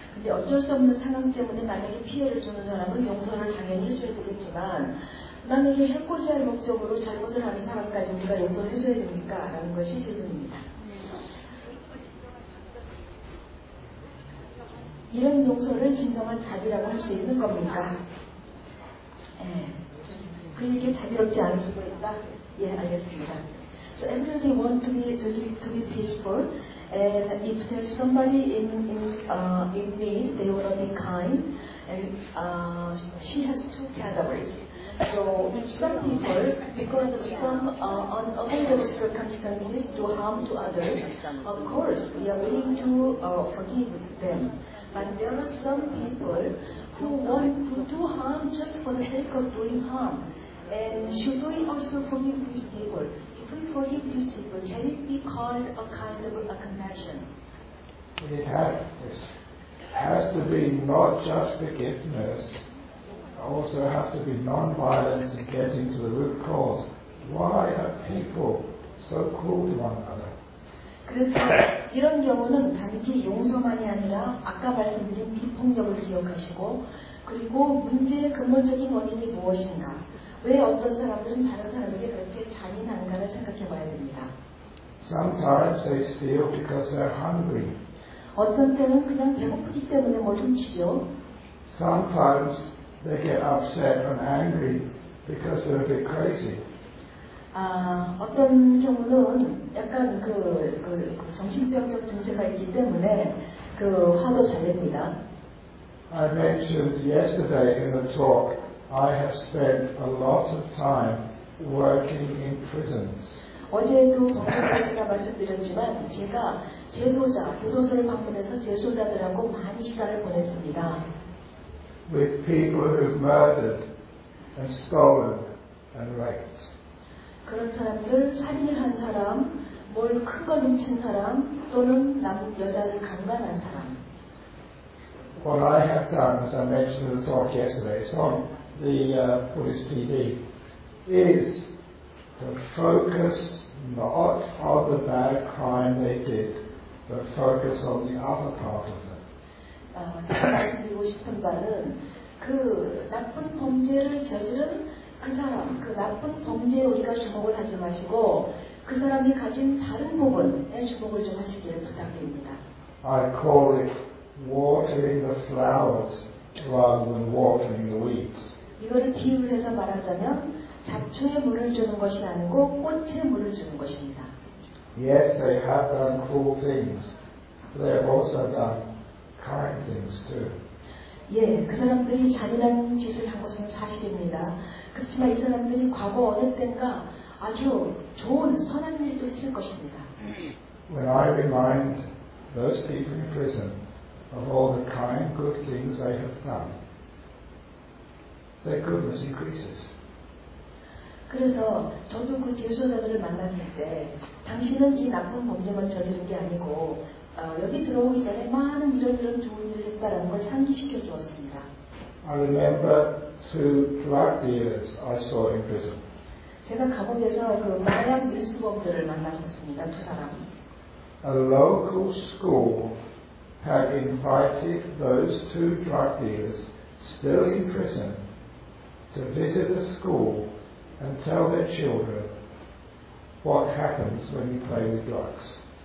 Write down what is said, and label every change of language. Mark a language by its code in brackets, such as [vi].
[ko] 어쩔 수 없는 상황 때문에 만약에 피해를 주는 사람은 용서를 당연히 해줘야 되겠지만 남에게 해코지할 목적으로 잘못을 하는 사람까지 우리가 용서를 해줘야 됩니까? 라는 것이 질문입니다. 이런 용서를 진정한 자비라고 할 수 있는 겁니까? 예. 그에게 자비롭지 않으시고 있다? 예, 알겠습니다. [en] So everything want to be peaceful. And if there's somebody in need, they want to be kind. And she has two categories. So if some people, because of some unavoidable circumstances, do harm to others, of course we are willing to forgive them. But there are some people who do harm just for the sake of doing harm. And should we also forgive these people? If we forgive these people, can it be called a kind of a compassion? It has to be not just forgiveness, it also has to be non-violence and getting to the root cause. Why are people so cruel to one another? [ko] 그래서 이런 경우는 단지 용서만이 아니라 아까 말씀드린 비폭력을 기억하시고 그리고 문제의 근본적인 원인이 무엇인가? 왜 어떤 사람들은 다른 사람에게 그렇게 잔인한가를 생각해 봐야 됩니다. [en] Sometimes they steal because they're hungry. [ko] 어떤 때는 그냥 배고프기 때문에 뭐 훔치죠. [en] Sometimes they get upset and angry because they're a bit crazy. [ko] 아, 어떤 경우는 약간 그 정신병적 증세가 있기 때문에 그 화도 잘 냅니다. [en] I mentioned yesterday in the talk I have spent a lot of time working in prisons. [ko] 어제도 방금 제가 말씀드렸지만 제가 재소자 교도소를 방문해서 재소자들하고 많이 시간을 보냈습니다. [en] With people who've murdered and stolen and raped. [ko] 그런 사람들 살인을 한 사람, 뭘 큰 걸 훔친 사람 또는 남 여자를 강간한 사람. [en] What I have done, as I mentioned in the talk yesterday, so. The Buddhist TV is to focus not on the bad crime they did, but focus on the other part of them. [ko] 제가 말씀드리고 싶은 바는 그 나쁜 범죄를 저지른 그 사람, 그 나쁜 범죄에 우리가 주목을 하지 마시고 그 사람이 가진 다른 부분에 주목을 좀 하시기를 부탁드립니다. [en] I call it watering the flowers rather than watering the weeds. [ko] 이거를 비유를 해서 말하자면 잡초에 물을 주는 것이 아니고 꽃에 물을 주는 것입니다. [en] Yes, they have done cruel things. They have also done kind things too. [ko] 예, 그 사람들이 잔인한 짓을 한 것은 사실입니다. 그렇지만 이 사람들이 과거 어느 때인가 아주 좋은 선한 일도 했을 것입니다. [en] When I remind those people in prison of all the kind, good things they have done, their goodness increases. [ko] 그래서 저도 그 재소자들을 만났을 때 당신은 이 나쁜 범죄만 저지른 게 아니고 여기 들어오기 전에 많은 이런 좋은 일을 했다라는 걸 상기시켜 주었습니다. [en] I remember two drug dealers I saw in prison. [ko] 제가 감옥에서 그 마약 밀수범들을 만났었습니다. 두 사람. [en] A local school had invited those two drug dealers still in prison to visit the school and tell their children what happens when you play with drugs.